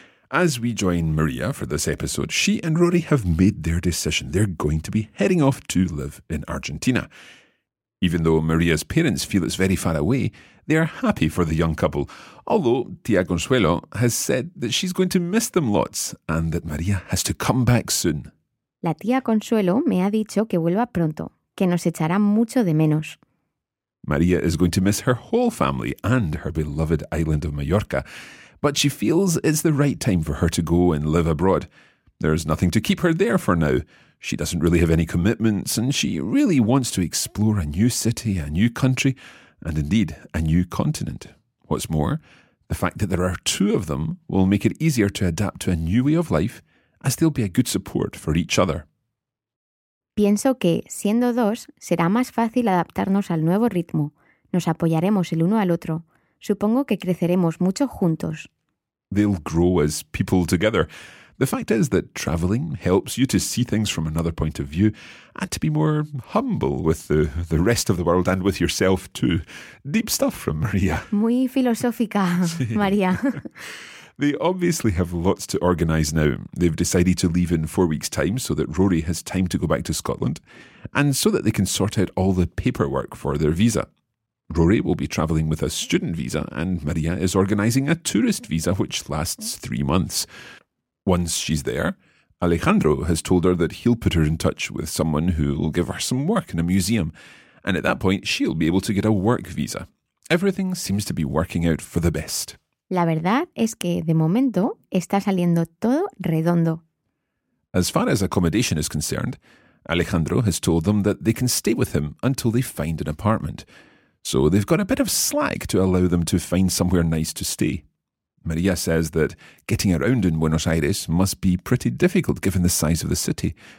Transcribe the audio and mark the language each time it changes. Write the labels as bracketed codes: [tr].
[en] As we join Maria for this episode, she and Rory have made their decision. They're going to be heading off to live in Argentina. Even though Maria's parents feel it's very far away, they are happy for the young couple, although Tia Consuelo has said that she's going to miss them lots and that Maria has to come back soon. [es] La tía Consuelo me ha dicho que vuelva pronto, que nos echará mucho de menos. [en] María is going to miss her whole family and her beloved island of Mallorca, but she feels it's the right time for her to go and live abroad. There's nothing to keep her there for now. She doesn't really have any commitments and she really wants to explore a new city, a new country, and indeed a new continent. What's more, the fact that there are two of them will make it easier to adapt to a new way of life, as they'll be a good support for each other. [es] Pienso que, siendo dos, será más fácil adaptarnos al nuevo ritmo. Nos apoyaremos el uno al otro. Supongo que creceremos mucho juntos. [en] They'll grow as people together. The fact is that traveling helps you to see things from another point of view and to be more humble with the rest of the world and with yourself too. Deep stuff from Maria. [es] Muy filosófica, Maria. [en] They obviously have lots to organise now. They've decided to leave in 4 weeks' time so that Rory has time to go back to Scotland and so that they can sort out all the paperwork for their visa. Rory will be travelling with a student visa and Maria is organising a tourist visa which lasts 3 months. Once she's there, Alejandro has told her that he'll put her in touch with someone who'll give her some work in a museum, and at that point she'll be able to get a work visa. Everything seems to be working out for the best. [es] La verdad es que, de momento, está saliendo todo redondo. [en] As far as accommodation is concerned, Alejandro has told them that they can stay with him until they find an apartment. So they've got a bit of slack to allow them to find somewhere nice to stay. Maria says that getting around in Buenos Aires must be pretty difficult given the size of the city.